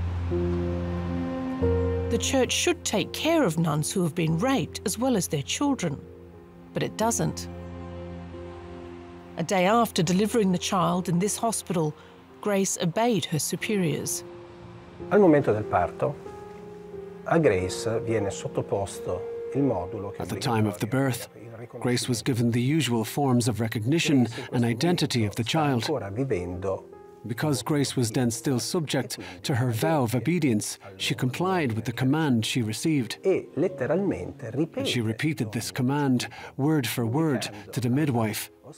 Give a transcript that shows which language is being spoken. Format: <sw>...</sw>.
<en>The church should take care of nuns who have been raped as well as their children, but it doesn't. A day after delivering the child in this hospital, Grace obeyed her superiors.</en> <it>Al momento del parto, a Grace viene sottoposto il modulo.</it> <en>At the time of the birth, Grace was given the usual forms of recognition and identity of the child. Because Grace was then still subject to her vow of obedience, she complied with the command she received. And she repeated this command, word for word, to the midwife.</en>